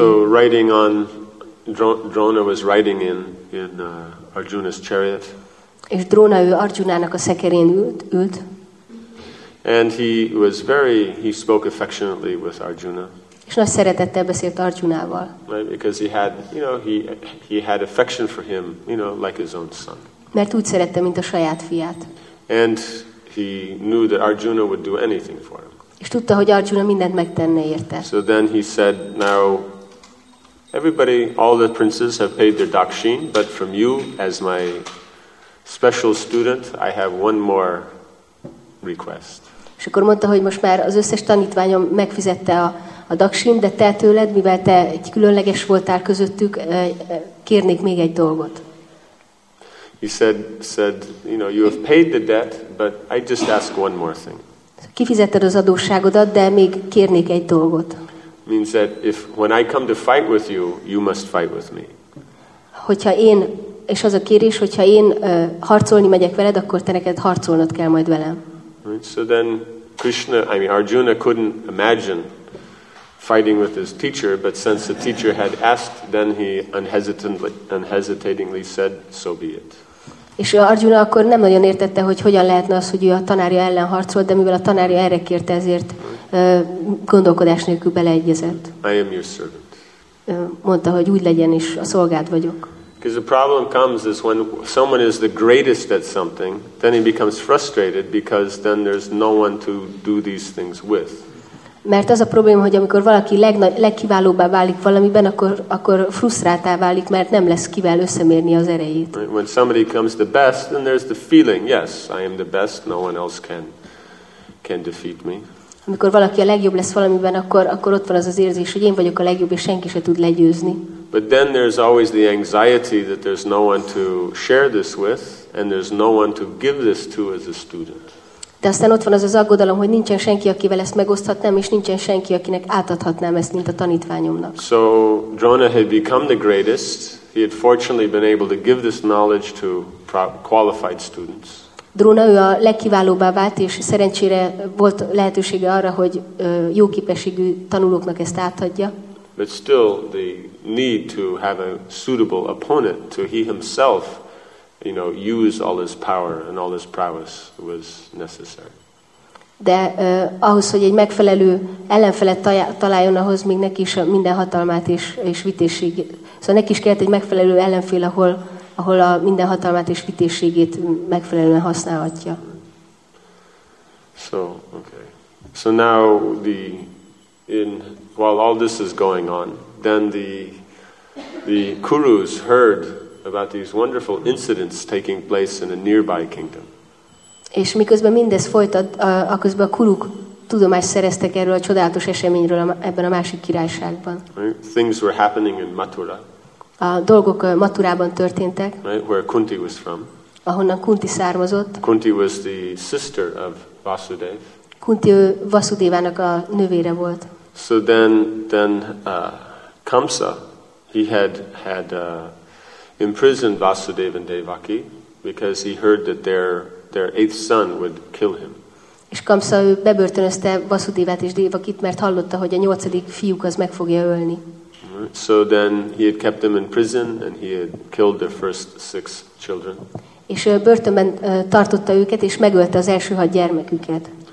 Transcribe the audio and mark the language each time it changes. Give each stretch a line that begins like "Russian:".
English: So riding on, Drona was riding in Arjuna's chariot.
Hungarian: És Drona ő Arjunának a szekerén ült.
English: And he spoke affectionately with Arjuna.
Hungarian: És nagy szeretettel beszélt Arjunával.
English: Right, because he had, you know, he had affection for him, you know, like his own son.
Hungarian: Mert úgy szerette, mint a saját fiát.
English: And he knew that Arjuna would do anything for him.
Hungarian: És tudta, hogy Arjuna mindent megtenne érte.
English: So then he said, now everybody, all the princes have paid their dakshin, but from you, as my special student, I have one more request.
Hungarian: És akkor mondta, hogy most már az összes tanítványom megfizette a dakshin, de te tőled, mivel te egy különleges voltál közöttük, kérnék még egy dolgot.
English: He said, you know, you have paid the debt, but I just ask one more thing.
Hungarian: Kifizetted az adósságodat, de még kérnék egy dolgot.
English: Means that if when I come to fight with you, you must fight with me.
Hungarian: Hogyha én És az a kérés, hogyha én harcolni megyek veled, akkor te neked harcolnod kell majd velem.
English: Right, so then Arjuna couldn't imagine fighting with his teacher, but since the teacher had asked, then he unhesitatingly said, so be it.
Hungarian: És Arjuna akkor nem nagyon értette, hogy hogyan lehetne az, hogy ő a tanárja ellen harcol, de mivel a tanárja erre kérte, ezért gondolkodás nélkül beleegyezett.
English: I am your servant.
Hungarian: Mondta, hogy úgy legyen, és a szolgád vagyok.
English: Because the problem comes is when someone is the greatest at something, then he becomes frustrated because then there's no one to do these things with.
Hungarian: Mert az a probléma, hogy amikor valaki legkiválóbbá válik valamiben, akkor frusztráltá válik, mert nem lesz kivel összemérni az erejét.
English: Right? When somebody comes the best, then there's the feeling, yes, I am the best, no one else can defeat me.
Hungarian: Amikor valaki a legjobb lesz valamiben, akkor ott van az az érzés, hogy én vagyok a legjobb, és senki se tud legyőzni.
English: But then there's always the anxiety that there's no one to share this with, and there's no one to give this to as a student.
Hungarian: De aztán ott van az az aggodalom, hogy nincsen senki, akivel ezt megoszthatnám, és nincsen senki, akinek átadhatnám ezt, mint a tanítványomnak.
English: So Jonah had become the greatest. He had fortunately been able to give this knowledge to qualified students.
Hungarian: Dróna, ő a legkiválóbbá vált, és szerencsére volt lehetősége arra, hogy jó képességű tanulóknak ezt átadja.
English: But still the need to have a suitable opponent to he himself, you know, use all his power and all his prowess was necessary.
Hungarian: De ahhoz, hogy egy megfelelő ellenfelet találjon, ahhoz még neki is minden hatalmát és vitézségét. Szóval neki is kellett egy megfelelő ellenfél, ahol a minden hatalmát és vitézségét megfelelően használhatja.
English: So, okay. So now the while all this is going on, then the Kurus heard about these wonderful incidents taking place in a nearby kingdom.
Hungarian: És miközben mindez folytat, aközben a Kuruk tudomást szereztek erről a csodálatos eseményről ebben a másik királyságban.
English: Right? Things were happening in Mathura.
Hungarian: A dolgok Mathurában történtek.
English: Right? Where Kunti was from.
Hungarian: Ahonnan Kunti származott.
English: Kunti was the sister of Vasudev.
Hungarian: Kunti Vasudevának a nővére volt.
English: So then Kamsa, he had imprisoned Vasudev and Devaki because he heard that their eighth son would kill him.
Hungarian: És Kamsa bebörtönözte Vasudevát és Devakit, mert hallotta, hogy a nyolcadik fiúk az meg fogja ölni.
English: So then he had kept them in prison and he had killed their first six children.
Hungarian: És börtönben tartotta őket és megölte az első hat gyermeküket.